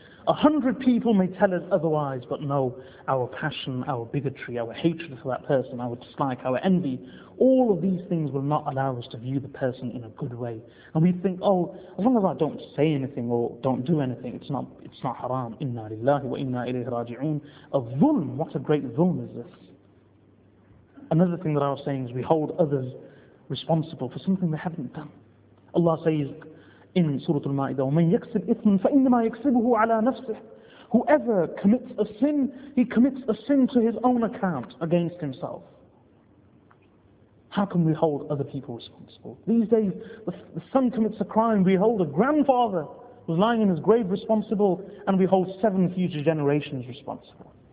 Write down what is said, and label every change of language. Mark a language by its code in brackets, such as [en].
[en] 100 people may tell us otherwise, but no, our passion, our bigotry, our hatred for that person, our dislike, our envy, all of these things will not allow us to view the person in a good way. And we think, oh, as long as I don't say anything or don't do anything, it's not haram. [ar] Inna lillahi wa inna ilayhi raji'un. [en] A zulm, what a great zulm is this. Another thing that I was saying is we hold others responsible for something they haven't done. Allah says in Surah Al-Ma'idah, [ar] وَمَنْ يَكْسِبْ إِثْمًا فَإِنَّمَا يَكْسِبُهُ عَلَىٰ نَفْسِهِ. [en] Whoever commits a sin, he commits a sin to his own account against himself. How can we hold other people responsible? These days, the son commits a crime, we hold a grandfather who's lying in his grave responsible, and we hold 7 future generations responsible.